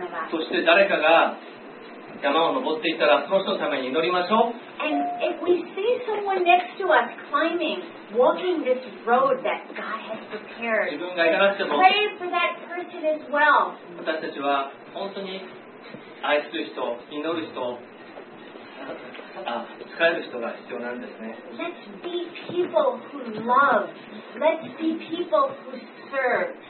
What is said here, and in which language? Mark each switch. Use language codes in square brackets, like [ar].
[ja] そして誰かが山を登っていたら、その人のために祈りましょう。 [en] And if we see someone next to us climbing, walking this road that God has prepared, [ja] 自分が行かなくても、 [en] pray for that person as well. [ja] 私たちは本当に愛する人、祈る人、使える人が必要なんですね。 [en] Let's be people who love. Let's be people who serve.